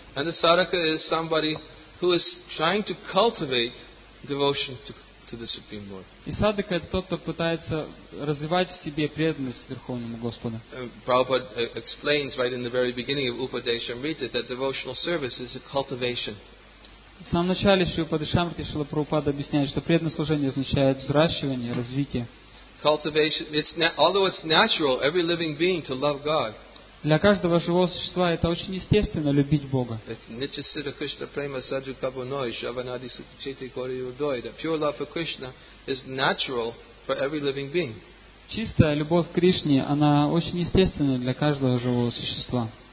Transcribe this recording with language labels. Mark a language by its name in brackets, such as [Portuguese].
[English] And the sadhaka is somebody who is trying to cultivate devotion to the Supreme Lord. [Russian] И садхака это тот, кто пытается развивать в себе преданность Верховному Господу. [English] Prabhupada explains right in the very beginning of Upadeshamrita that devotional service is a cultivation. [Russian] В самом начале Шрила Упадешамрити Шрила Прабхупада объясняет, что преданное служение означает взращивание, развитие. [English] Cultivation. Although it's natural every living being to love God. [Russian] Для каждого живого существа это очень естественно любить Бога. Чистая любовь к Кришне, она очень естественна для каждого живого существа.